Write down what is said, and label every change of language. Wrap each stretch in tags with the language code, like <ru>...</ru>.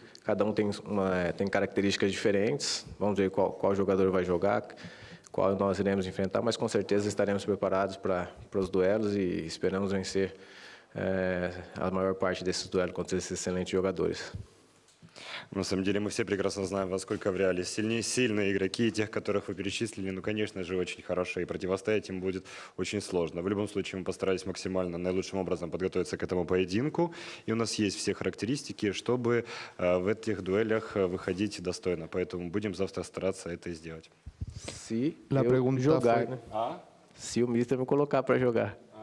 <pt>Cada um tem características diferentes, vamos ver qual jogador vai jogar, qual nós iremos enfrentar, mas com certeza estaremos preparados para os duelos e esperamos vencer a maior parte desses duelos contra esses excelentes jogadores.</pt> <ru>На самом деле мы все прекрасно знаем, во сколько в Реале сильные игроки, тех, которых вы перечислили, ну, конечно же, очень хорошо, и противостоять им будет очень сложно. В любом случае, мы постарались максимально наилучшим образом подготовиться к этому поединку, и у нас есть все характеристики, чтобы в этих дуэлях выходить достойно. Поэтому будем завтра стараться это сделать.</ru> <pt>Si o mister me colocar para jogar.</pt>